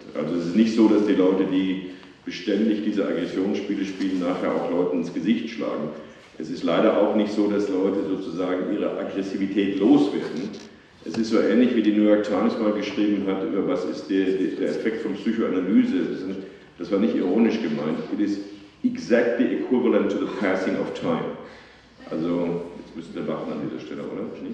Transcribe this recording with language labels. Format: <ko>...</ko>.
<de>Also es ist nicht so, dass die Leute, die beständig diese Aggressionsspiele spielen, nachher auch Leuten ins Gesicht schlagen. Es ist leider auch nicht so, dass Leute sozusagen ihre Aggressivität loswerden. Es ist so ähnlich, wie die New York Times mal geschrieben hat, über was ist der Effekt von Psychoanalyse. Das war nicht ironisch gemeint.</de> <en>It is exactly equivalent to the passing of time.</en> <de>Also, jetzt müssen wir warten an dieser Stelle, oder?</de>